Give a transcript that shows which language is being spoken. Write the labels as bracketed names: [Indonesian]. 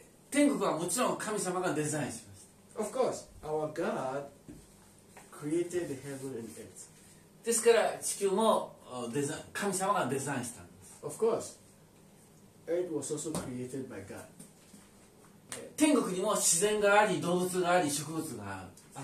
[Japanese] 天国はもちろん神様がデザインしました。 [English] Of course, our God created the heaven and earth. [Japanese] ですから地球もデザイン、神様がデザインしたんです。 [English] Of course, earth was also created by God. [Japanese] 天国にも自然があり、動物があり、植物がある。